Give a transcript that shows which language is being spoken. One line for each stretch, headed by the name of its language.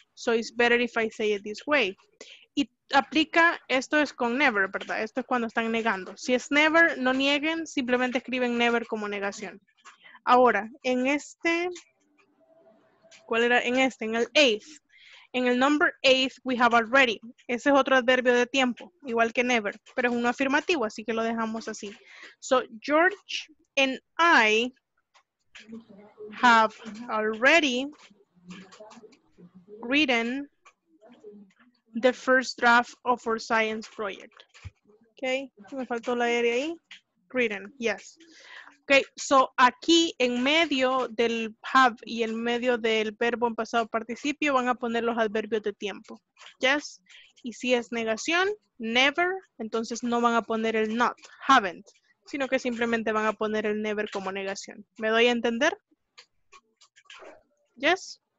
English: So it's better if I say it this way.
Spanish: Y aplica, esto es con never, ¿verdad? Esto es cuando están negando. Si es never, no nieguen, simplemente escriben never como negación. Ahora, en este, ¿cuál era? En este, en el eighth. En el number eighth,
English: we have already.
Spanish: Ese es otro adverbio de tiempo, igual que never, pero es uno afirmativo, así que lo dejamos así.
English: So, George and I have already written the first draft of our science project.
Spanish: Okay, me faltó la R ahí. Written, yes. Okay, so aquí en medio del have y en medio del verbo en pasado participio van a poner los adverbios de tiempo. Yes, y si es negación, never, entonces no van a poner el not, haven't, sino que simplemente van a poner el never como negación. ¿Me doy a entender? Yes.